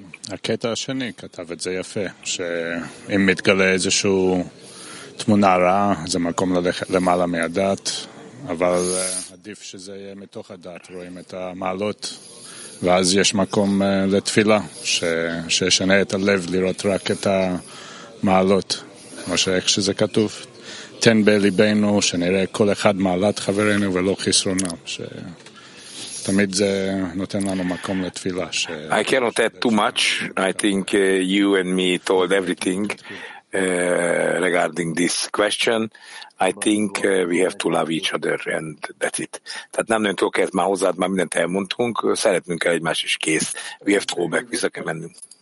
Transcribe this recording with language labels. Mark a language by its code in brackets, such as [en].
[he] הקטע השני כתב את זה יפה, שאם מתגלה איזושהי תמונה רעה, זה מקום למעלה מהדעת, אבל עדיף שזה יהיה מתוך הדעת, רואים את המעלות, ואז יש מקום לתפילה, שישנה את הלב לראות רק את המעלות, כמו שאיך שזה כתוב. תן בליבנו שנראה כל אחד מעלת חברנו ולא חסרונה, ש... תמיד זה נותן לנו מקום לתפילה ש... [en] I cannot add too much. I think you and me told everything regarding this question. I think we have to love each other and that's it. [hu] Tehát nem nagyon tudok ezt már hozzád, már mindent elmondtunk, szeretnünk el egymást is kész. [en] We have to go back, [hu] vissza kell mennünk.